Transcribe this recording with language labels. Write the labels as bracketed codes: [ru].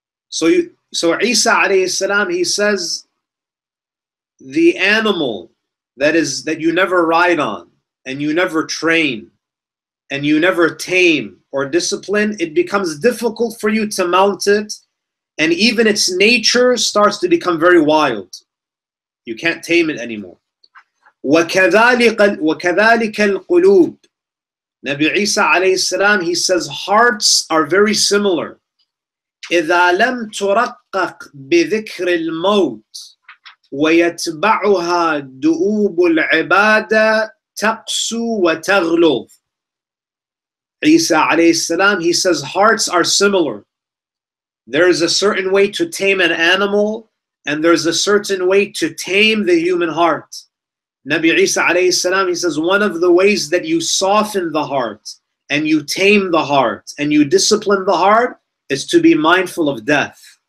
[en] So Isa alayhi salam, he says, the animal that you never ride on and you never train and you never tame or discipline, it becomes difficult for you to mount it, and even its nature starts to become very wild. You can't tame it anymore. [ar] وَكَذَلِكَ الْقُلُوبِ [en] Nabi Isa alayhi salam, he says, hearts are very similar. [ar] إِذَا لَمْ تُرَقَّقْ بِذِكْرِ الْمَوْتِ وَيَتْبَعُهَا دُؤُوبُ الْعِبَادَةِ تَقْسُ وَتَغْلُوْ [en] Isa alayhi salam, he says, hearts are similar. There is a certain way to tame an animal, and there's a certain way to tame the human heart. Nabi Isa alayhi salam, he says, one of the ways that you soften the heart and you tame the heart and you discipline the heart is to be mindful of death.